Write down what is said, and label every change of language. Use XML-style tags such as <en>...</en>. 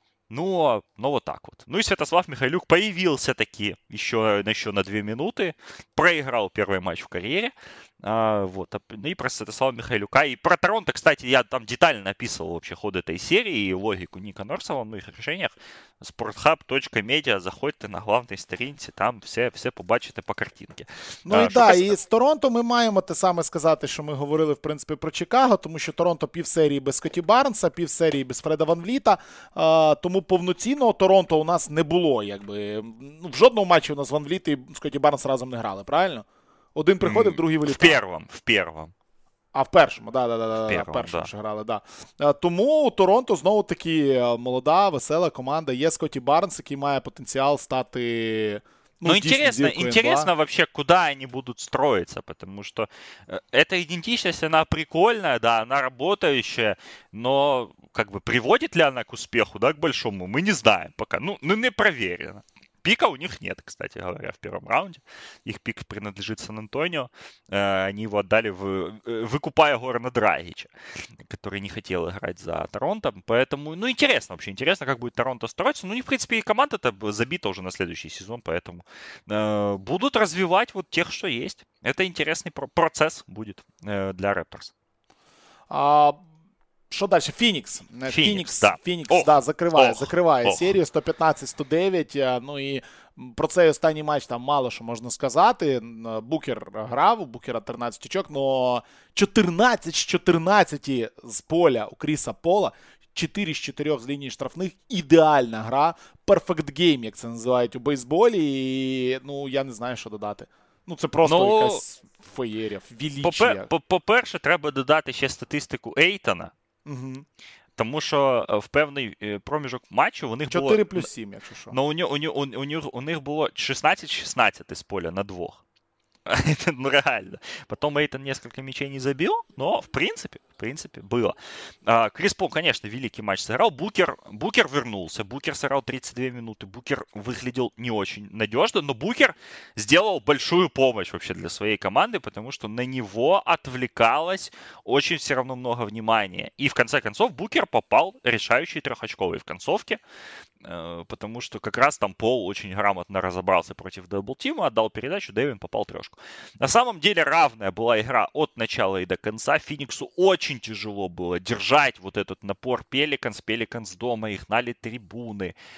<ru>Но вот так вот. Ну и Святослав Михайлюк появился таки еще на 2 минуты. Проиграл первый матч в карьере. Вот. И про Святослава Михайлюка. И про Торонто, кстати, я там детально описывал вообще ход этой серии и логику Ника Нерсона в их решениях. sporthub.media.</ru> <uk>Заходьте на главной сторінці, там все побачите</uk> <ru>по картинке.</ru> <uk>Ну і да, і з Торонто ми маємо те саме сказати, що ми говорили, в принципі, про Чикаго, тому що Торонто пів серії без Скотті Барнса, пів серії без Фреда Ванвліта, тому повноцінного Торонто у нас не було, якби. Ну, в жодному матчі у нас Ванвліт і Скотті Барнс разом не грали, правильно? Один приходив, другий вилітав. В першому. А в першому, в першому. Ще грали, да. Тому у Торонто знову-таки молода, весела команда. Є Скотті Барнс, який має потенціал стати...</uk> <ru>Ну, интересно вообще, куда они будут строиться, потому что эта идентичность, она прикольная, да, она работающая, но как бы приводит ли она к успеху, да, к большому, мы не знаем пока. Ну, не проверено. Пика у них нет, кстати говоря, в первом раунде. Их пик принадлежит Сан-Антонио. Они его отдали, выкупая Горана Драгича, который не хотел играть за Торонто. Поэтому, ну, интересно вообще, интересно, как будет Торонто строиться. Ну, у них, в принципе, и команда-то забита уже на следующий сезон, поэтому будут развивать вот тех, что есть. Это интересный процесс будет для Рэпторс.</ru> <uk>Що далі? Фінікс. Фінікс, да. Фінікс, да, закриває серію 115-109. Ну і про цей останній матч там мало що можна сказати. Букер грав, у Букера 13 очок, але 14 з 14 з поля у Кріса Пола, 4 з 4 з лінії штрафних, ідеальна гра, перфект гейм, як це називають у бейсболі, і, ну, я не знаю, що додати. Ну, це просто якась феєрія, велічія. По-перше, треба додати ще статистику Ейтона. Угу. Тому що в певний проміжок матчу у них 4 було... плюс 7, якщо що. Ну, у них було 16-16 з поля на двох. Ну, реально. Потім Ейтон несколько м'ячей не забив, но в принципі, було. Кріс Пол, звісно, великий матч зіграв. Букер вернувся. Букер зіграв 32 минути. Букер виглядав не дуже надіжно, но Букер зробив</uk> <ru>большую помощь вообще</ru> <uk>для своєї команди, тому що на нього відвлекалось дуже все одно</uk> <ru>много внимания. І в конце концов Букер попав</ru> <uk>рішаючий трьохочковий в концовці,</uk> <ru>потому что как раз там Пол очень грамотно разобрался против дабл-тима, отдал передачу, Дэвин попал трешку. На самом деле равная была игра от начала и до конца. Фениксу очень тяжело было держать вот этот напор Пеликанс дома, их гнали трибуны.</ru>